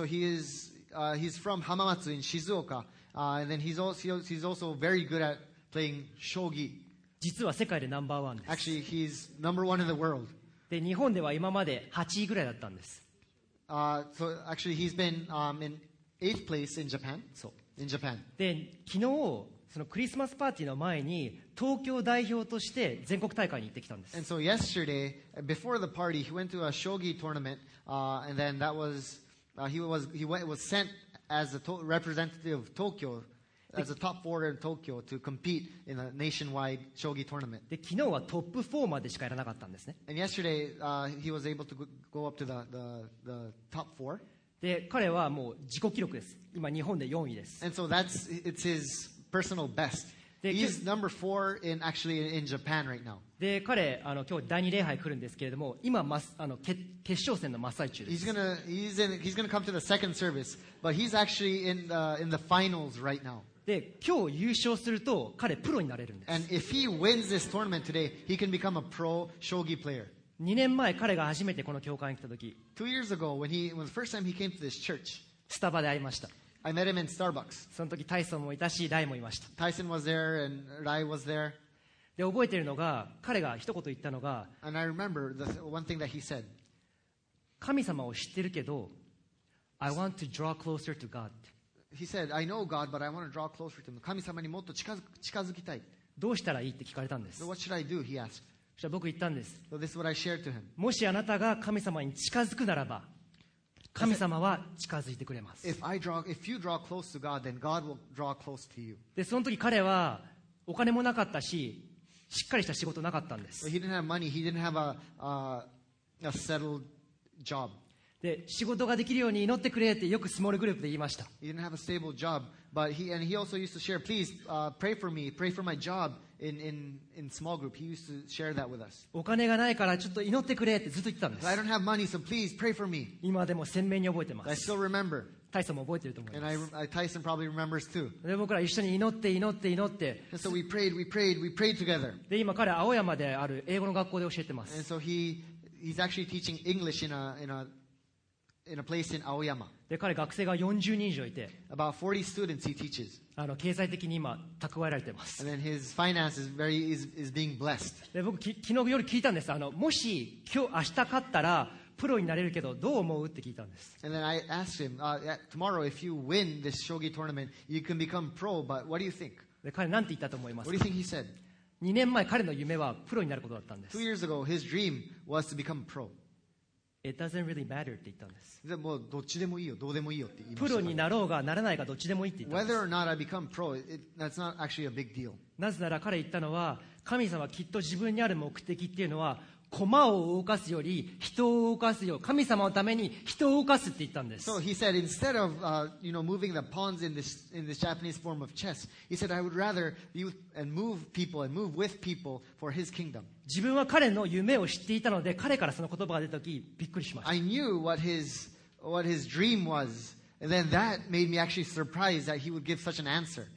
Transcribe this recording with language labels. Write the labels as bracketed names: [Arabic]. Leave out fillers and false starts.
[English] And so he's from Hamamatsu in Shizuoka. And then he's also very good at playing 将棋. [Japanese] 実は世界でナンバーワンです。 [English] Actually, he's number one in the world. [Japanese] で、日本では今まで8位ぐらいだったんです。 [English] So actually, he's been in eighth place in Japan. So in Japan. [Japanese] で、昨日そのクリスマスパーティーの前に東京代表として全国大会に行ってきたんです。 [English] And so yesterday, before the party, he went to a shogi tournament, and then that was, he was sent as a representative of Tokyo, as a top four in Tokyo to compete in a nationwide shogi tournament. [Japanese] で、昨日はトップ4までしかやらなかったんですね。 [English] And yesterday, he was able to go up to the top four. [Japanese] で彼はもう自己記録です。今日本で4位です。 [English] And so that's it's his personal best. He's number four in actually in Japan right now. [Japanese] で彼今日第二礼拝来るんですけれども、今決勝戦の真っ最中です。 [English] He's gonna come to the second service, but he's actually in the finals right now. [Japanese] で今日優勝すると彼プロになれるんです。 [English] And if he wins this tournament today, he can become a pro shogi player. [Japanese] 2年前彼が初めてこの教会に来た時 [English] Two years ago, when the first time he came to this church, [Japanese] スタバで会いました。 [English] I met him in Starbucks. [Japanese] その時タイソンもいたし、ライもいました。 [English] Tyson was there and Rai was there. [Japanese] で、覚えているのが彼が一言言ったのが [English] And I remember the one thing that he said. [Japanese] 神様を知ってるけど、 [English] I want to draw closer to God. He said, I know God, but I want to draw closer to him. [Japanese] 神様にもっと近づきたい。どうしたらいいって聞かれたんです。 [English] So what should I do? He asked. [Japanese] じゃあ僕言ったんです。 [English] So、this is what I shared to him. [Japanese] もしあなたが神様に近づくならば、神様は近づいてくれます。 [English] If you draw close to God, then God will draw close to you. [Japanese] で、その時彼はお金もなかったし、しっかりした仕事なかったんです。 [English] He didn't have money. He didn't have a settled job. [Japanese] で、仕事ができるように祈ってくれってよくスモールグループで言いました。 [English] He didn't have a stable job, but he also used to share, please, pray for me, pray for my job. In small group, he used to share that with us. [Japanese] お金がないからちょっと祈ってくれってずっと言ってたんです。 [English] I don't have money, so please pray for me. [Japanese] 今でも鮮明に覚えてます。 [English] I still remember. [Japanese] タイソンも覚えてると思います。 [English] And Tyson probably remembers too. [Japanese] で僕ら一緒に祈って。 [English] And so we prayed together. [Japanese] で今彼青山である英語の学校で教えてます。 [English] And so he's actually teaching English in a place in Aoyama. [Japanese] で彼学生が40人以上いて。 [English] About 40 students he teaches. [Japanese] 経済的に今蓄えられています。 [English] And then his finances is being blessed. [Japanese] で僕昨日夜聞いたんです。もし今日明日勝ったらプロになれるけどどう思うって聞いたんです。 [English] And then I asked him, tomorrow if you win this shogi tournament, you can become pro. But what do you think? [Japanese] で彼なんて言ったと思いますか。 [English] What do you think he said? [Japanese] 2年前彼の夢はプロになることだったんです。 [English] Two years ago, his dream was to become pro. It doesn't really matter [Japanese] って言ったんです。でもどっちでもいいよ、どうでもいいよって言いました。プロになろうがならないがどっちでもいいって言ったんです。 [English] Whether or not I become pro, that's not actually a big deal. [Japanese] なぜなら彼言ったのは、神様きっと自分にある目的っていうのは、駒を動かすより人を動かすよ、神様のために人を動かすって言ったんです。 [English] So he said instead of moving the pawns in this Japanese form of chess, he said I would rather be and move people and move with people for his kingdom. [Japanese] 自分は彼の夢を知っていたので、彼からその言葉が出たとき、びっくりしました。 [English] I knew what his dream was, and then that made me actually surprised that he would give such an answer.